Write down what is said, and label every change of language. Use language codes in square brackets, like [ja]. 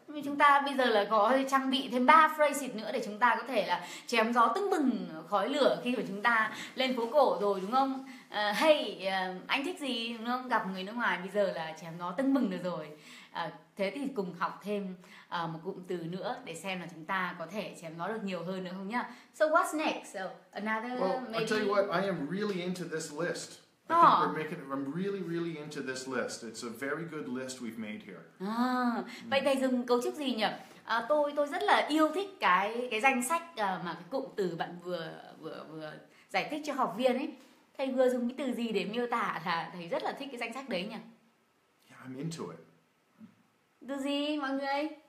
[vi] Chúng ta bây giờ là có trang bị thêm 3 phrase nữa để chúng ta có thể là chém gió tưng bừng khói lửa khi mà chúng ta lên phố cổ rồi, đúng không? Hey, anh thích gì, đúng không? Gặp người nước ngoài bây giờ là chém gió tưng bừng được rồi. Thế thì cùng học thêm một cụm từ nữa để xem là chúng ta có thể chém gió được nhiều hơn nữa không nhá. [en] So what's next? So another well, maybe... I'll tell you what, I am really into this list. I think we're making it, I'm really, really into this list. It's a very good list we've made here. [vi] Vậy thầy dùng cấu trúc gì nhỉ? Tôi rất là yêu thích cái danh sách mà cái cụm từ bạn vừa giải thích cho học viên ấy. Thầy vừa dùng cái từ gì để miêu tả là thầy rất là thích cái danh sách đấy nhỉ? [en] Yeah, I'm into it. [vi] Từ gì mọi người?